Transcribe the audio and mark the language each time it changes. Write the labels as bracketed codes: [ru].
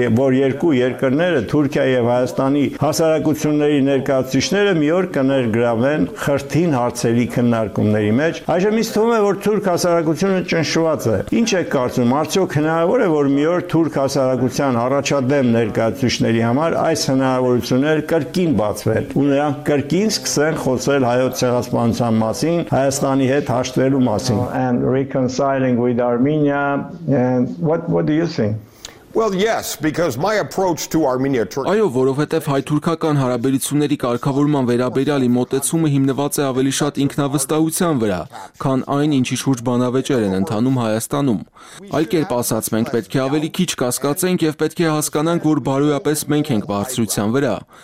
[hy] որ երկու երկրները, Թուրքիա եւ Հայաստանի հասարակությունների ներկայացուցիչները մի օր կներգրավեն խրթին հարցերի քննարկումների մեջ։ Այժմ ինձ թվում է, որ թուրք հասարակությունը ճնշված է։ Ինչ է կարծում, արդյոք հնարավոր է, որ մի օր թուրք հասարակության առաջադեմ ներկայացուցիչների համար այս հնարավորությունները կրկին բացվեն, ու նրանք կրկին սկսեն խոսել հայոց ցեղասպանության մասին, Հայաստանի հետ հաշտվելու մասին. [en] And reconciling with Armenia, what do you think? Well, yes, because my approach to Armenia Turkey. [hy] Այո, որովհետև հայ-թուրքական հարաբերությունների կարգավորման վերաբերյալ իմ մոտեցումը հիմնված է ավելի շատ ինքնավստահության վրա, քան այն, ինչի շուրջ բանավեճեր են ընթանում Հայաստանում։ Այլ կերպ ասած, մենք պետք է ավելի քիչ կասկածենք եւ պետք է հասկանանք, որ բարոյապես մենք ենք բարձրության վրա։